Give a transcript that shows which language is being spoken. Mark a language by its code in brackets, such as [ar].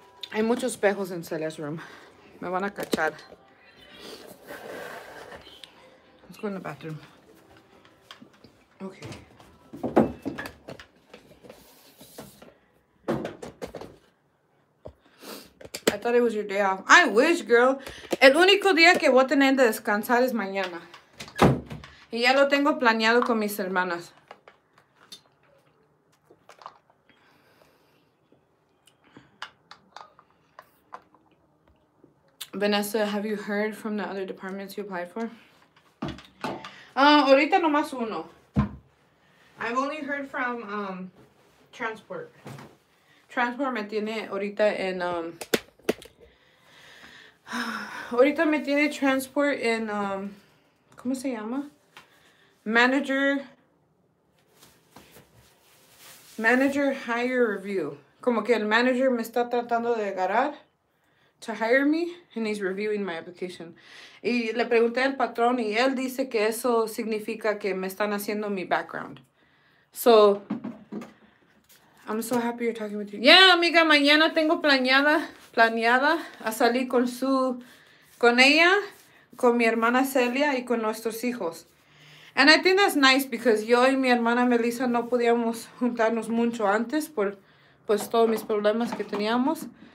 [es] Hay muchos espejos en Celeste's room. Me van a cachar. [en] Let's go in the bathroom. Okay. I thought it was your day off. I wish, girl. [es] El único día que voy a tener de descansar es mañana. Y ya lo tengo planeado con mis hermanas. [en] Vanessa, have you heard from the other departments you applied for? [es] Ahorita nomás uno. [en] I've only heard from transport. [es] Transport me tiene ahorita en ahorita me tiene transport en ¿cómo se llama? [en] Manager hire review. [es] Como que el manager me está tratando de agarrar [en] to hire me and he's reviewing my application. [es] Y le pregunté al patrón y él dice que eso significa que me están haciendo mi background. [en] So, I'm so happy you're talking with you. [es] Yeah, amiga, mañana tengo planeada a salir con ella, con mi hermana Celia y con nuestros hijos. [en] And I think that's nice because [es] yo y mi hermana Melissa no podíamos juntarnos mucho antes por pues todos mis problemas que teníamos.